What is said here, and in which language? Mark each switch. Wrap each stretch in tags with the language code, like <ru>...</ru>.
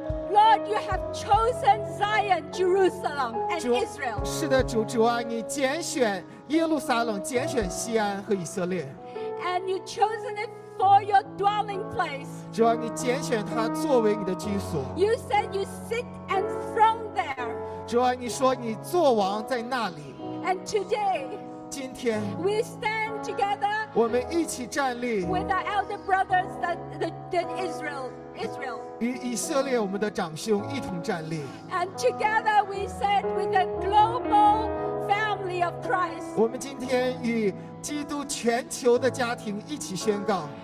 <en>Lord you have chosen Zion, Jerusalem and Israel,</en> <zh>是的主主啊你拣选耶路撒冷拣选西安和以色列</zh> <en>and you chosen it for your dwelling place.</en> <zh>主啊，你拣选它作为你的居所。</zh> <en>You said you sit and throne there.</en> <zh>主啊，你说你坐王在那里。</zh> <en>And today,</en> <zh>今天</zh> <en>we stand together.</en> <zh>我们一起站立。</zh> <en>With our elder brothers, Israel.</en> <zh>与以色列我们的长兄一同站立。</zh> <en>And together we stand with the global family of Christ.</en> <zh>我们今天与基督全球的家庭一起宣告</zh>